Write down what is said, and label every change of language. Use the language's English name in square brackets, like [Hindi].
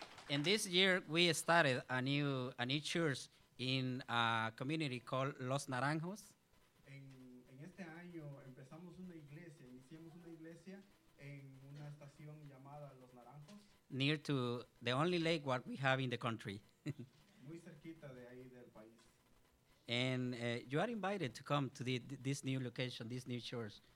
[English] And this year we started a new church in a community called Los Naranjos. [Spanish] En este año empezamos una iglesia, iniciamos una iglesia en una estación llamada Los Naranjos. [English] Near to the only lake what we have in the country. [Spanish] Muy cerquita de ahí del país. [English] And you are invited to come to this new location, this new church.